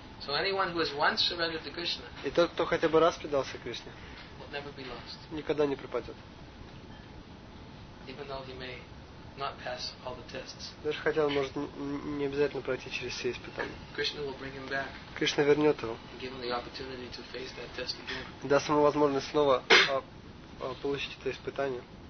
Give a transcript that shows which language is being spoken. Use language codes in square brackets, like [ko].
[en] So anyone who has once surrendered to Krishna. [ru] И тот, кто хотя бы раз предался Кришне. [en] Will never be lost. [ru] Никогда не пропадет. [en] Even though he may not pass all the tests. [ru] Даже хотя он может не обязательно пройти через все испытания. [en] Krishna will bring him back. [ru] Кришна вернет его. [en] Give him the opportunity to face that test again. [ru] Даст ему возможность снова получить это испытание.